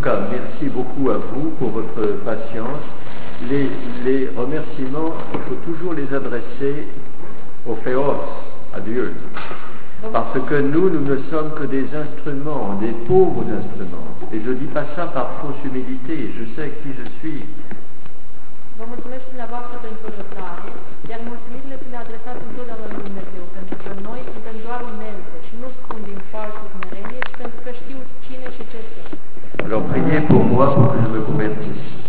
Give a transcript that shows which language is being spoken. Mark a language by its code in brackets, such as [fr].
[fr] Merci beaucoup à vous pour votre patience. Les remerciements, il faut toujours les adresser au Féos, à Dieu. Parce que nous ne sommes que des instruments, des pauvres instruments. Et je ne dis pas ça par fausse humilité, je sais qui je suis. [ro] Vă mulțumesc dumneavoastră pentru răbdare, iar mulțumirile sunt adresate întotdeauna lui Dumnezeu, pentru că noi suntem doar unelte și nu spun din falsă smerenie, ci pentru că știu cine și ce sunt. [fr] Alors priez pour moi pour que je me convertisse.